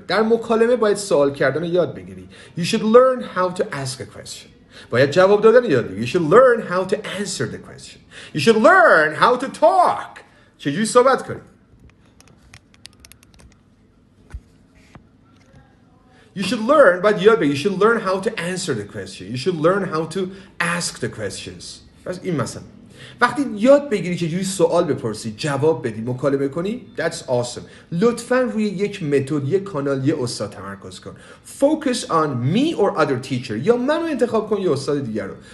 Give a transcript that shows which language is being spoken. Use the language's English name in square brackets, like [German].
[Persian] در مکالمه باید سوال کردن یاد بگیری. [English] You should learn how to ask a question. [Persian] باید جواب دادن یاد بگیری. [English] You should learn how to answer the question. You should learn how to talk. [Persian] چجوری صحبت کنی؟ [English] You should learn, but yeah, you should learn how to answer the question. You should learn how to ask the questions. [Persian] پس این مثلا وقتی یاد بگیری که یه سوال بپرسی، جواب بدی، مکالمه کنی، [English] that's awesome. [Persian] لطفاً روی یک متد، یک کانال، یه استاد تمرکز کن. [English] Focus on me or other teacher. [Persian] یا منو انتخاب کن یا استاد دیگر رو.